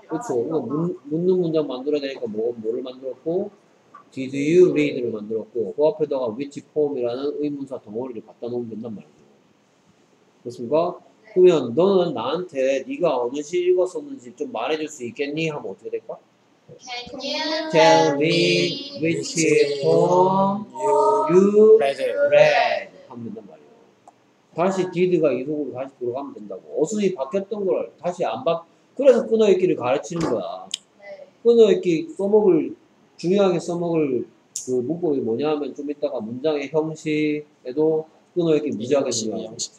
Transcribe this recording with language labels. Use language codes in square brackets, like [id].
[ko] 그렇죠. 아, 묻는 문장 만들어야 되니까 뭐를 만들었고 [en] Did you read [ko] 를 만들었고 그 앞에다가 [en] which poem [ko] 이라는 의문사 덩어리를 갖다 놓으면 된단 말이죠. 그렇습니까? 네. 그러면 너는 나한테 네가 어느 시 읽었었는지 좀 말해줄 수 있겠니? 하면 어떻게 될까? [en] Can you tell me which poem you read? [ko] 하면 된단 말이에요. 다시 did가 이 속으로 다시 들어가면 된다고. 어순이 바뀌었던 걸 다시 안 그래서 끊어읽기를 가르치는 거야. 네. 끊어읽기 써먹을, 중요하게 써먹을 그 문법이 뭐냐 하면 좀 이따가 문장의 형식에도 끊어읽기 무지하게 중요하고.